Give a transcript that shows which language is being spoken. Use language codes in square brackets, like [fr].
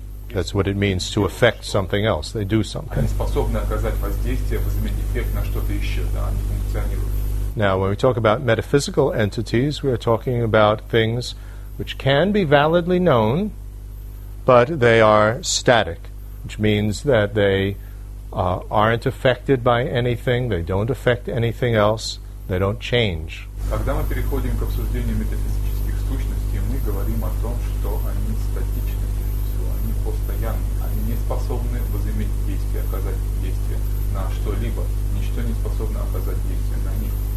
[en] That's what it means to affect something else. They do something. [ru] Они способны оказать воздействие, возыметь эффект на что-то еще, да, они функционируют. [en] Now, when we talk about metaphysical entities, we are talking about things which can be validly known, but they are static, which means that they aren't affected by anything, they don't affect anything else, they don't change. [ru] Когда мы переходим к обсуждению метафизических сущностей, мы говорим о том, что они статичны. Они не способны возыметь действие, оказать действие на что-либо. Ничто не способно оказать действие на них.